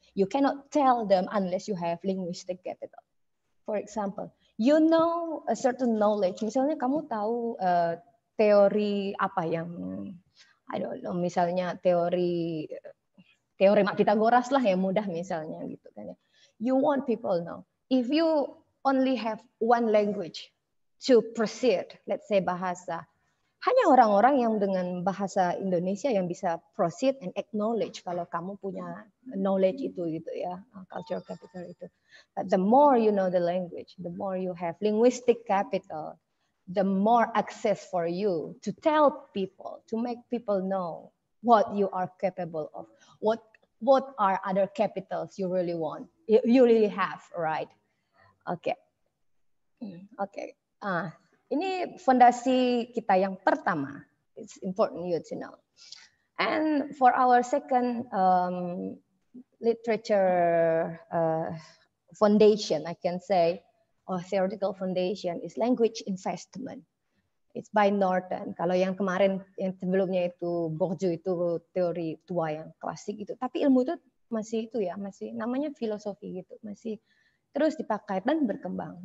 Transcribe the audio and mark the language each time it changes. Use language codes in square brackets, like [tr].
[en] You cannot tell them unless you have linguistic capital. For example, you know a certain knowledge. [id] Misalnya kamu tahu teori apa yang, [en] I don't know, [id] misalnya teori Pythagoras lah yang mudah misalnya gitu kan. [en] You want people know. If you only have one language to proceed, let's say [id] bahasa, hanya orang-orang yang dengan bahasa Indonesia yang bisa [en] proceed and acknowledge [id] kalau kamu punya knowledge itu gitu ya, cultural capital itu. [en] But the more you know the language, the more you have linguistic capital, the more access for you to tell people, to make people know what you are capable of, what are other capitals you really want, you really have, right? Okay. [id] Ini fondasi kita yang pertama. [en] It's important you to know. And for our second literature foundation, I can say, or theoretical foundation, is language investment. It's by Norton. [id] Kalau yang kemarin, yang sebelumnya itu Bourdieu, itu teori tua yang klasik itu. Tapi ilmu itu masih itu ya, masih namanya filosofi gitu, masih terus dipakai dan berkembang.